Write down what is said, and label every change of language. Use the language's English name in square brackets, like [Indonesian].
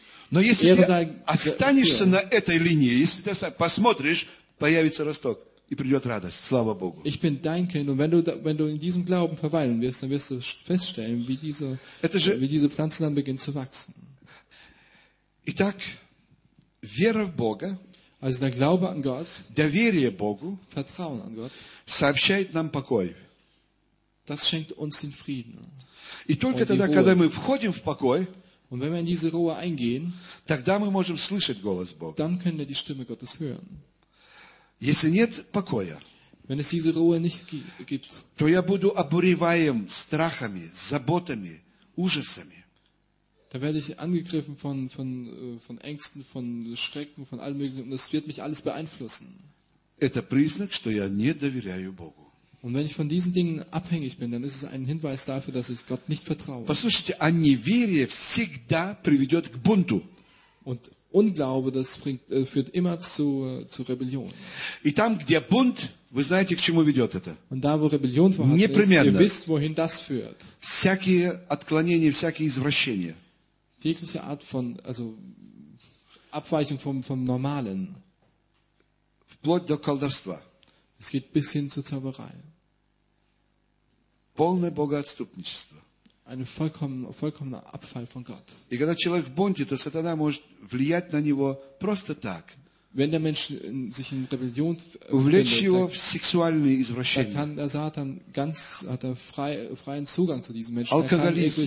[Russian] Но если ты останешься на этой линии, если ты посмотришь, появится росток и придет радость. Слава Богу. [German] Ich bin dein Kind, und wenn du in diesem Glauben verweilen wirst, dann wirst du feststellen, wie diese Pflanze dann beginnt zu wachsen. [Russian] Итак, вера в Бога, [German] also der Glaube an Gott, [Russian] доверие Богу, [German] Vertrauen an Gott, [Russian] сообщает нам покой. [German] Das schenkt uns den Frieden. [Russian] И только тогда, когда мы входим в покой, [German] und wenn wir in diese Ruhe eingehen, [Russian] тогда мы можем слышать голос Бога. [German] Dann können wir die Stimme Gottes hören. [Russian] Если нет покоя, [German] wenn es diese Ruhe nicht gibt, [Russian] то я буду обуреваем страхами, заботами, ужасами. [German] Da werde ich angegriffen von Ängsten, von Schrecken, von allem Möglichen, und das wird mich alles beeinflussen. [Russian] Это признак, что я не доверяю Богу. [German] Und wenn ich von diesen Dingen abhängig bin, dann ist es ein Hinweis dafür, dass ich Gott nicht vertraue. [Russian] Послушайте, а неверие всегда приведет к бунту. [German] Und Unglaube, das führt immer zu Rebellion. [Russian] И там, где бунт, вы знаете, к чему ведет это. [German] Und da, wo Rebellion vorhanden [Russian] непременно. [German] Ist, ihr wisst, wohin das führt. [Russian] Всякие отклонения, всякие извращения. [German] Jegliche Art von, also Abweichung vom Normalen. [Russian] Вплоть до колдовства. [German] Es geht bis hin zur Zauberei. [Russian] Полное богоотступничество. [German] Ein vollkommener Abfall von Gott. [Russian] И когда человек в бунте, то сатана может влиять на него просто так. [German] Wenn der Mensch sich in Rebellion [Russian] увлечь его в сексуальные извращения. [German] Dann kann der Satan ganz, hat er freien Zugang zu diesem Menschen. Alkoholismus.